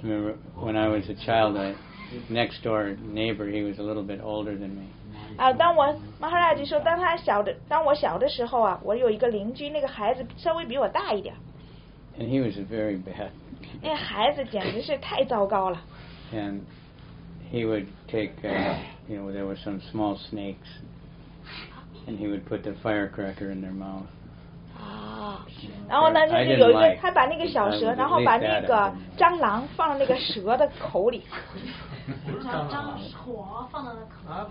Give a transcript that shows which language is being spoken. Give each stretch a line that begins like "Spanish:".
English: Remember when I was a child, I next door neighbor, he was a little bit older than me.
Chinese: 啊，当我 Maharaj 说，当他小的，当我小的时候啊，我有一个邻居，那个孩子稍微比我大一点。
English: And he was a very bad.
Chinese: 那孩子简直是太糟糕了。
English: And he would take, you know, there were some small snakes. And he would put the firecracker in their mouth. Ah, then there was one. He put that little snake, then put that snake in the mouth of the snake.